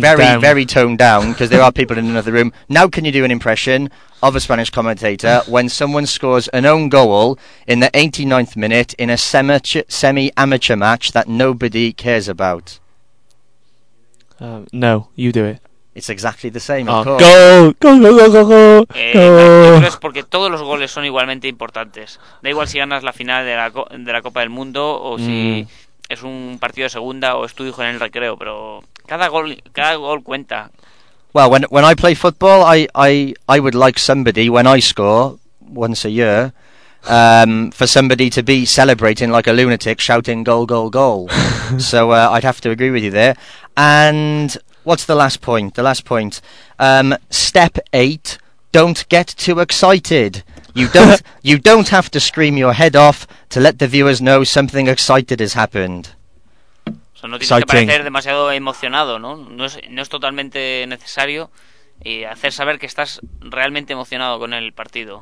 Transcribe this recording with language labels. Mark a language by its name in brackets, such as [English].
[English] very, down. Very toned down, because there are people in another room. Now, can you do an impression of a Spanish commentator when someone scores an own goal in the 89th minute in a semi-amateur match that nobody cares about? No, you do it. It's exactly the same. Go. [Spanish] Es porque todos los goles son igualmente importantes. Da igual si ganas la final de la Copa del Mundo o si es un partido de segunda o es tu hijo en el recreo, pero cada gol cuenta. [English] Well, when I play football, I would like somebody, when I score once a year, for somebody to be celebrating like a lunatic, shouting goal, goal, goal. So I'd have to agree with you there. And what's the last point? The last point. Step 8, don't get too excited. You don't have to scream your head off to let the viewers know something excited has happened. [Spanish] O sea, no tienes que parecer demasiado emocionado, ¿no? No es totalmente necesario y hacer saber que estás realmente emocionado con el partido.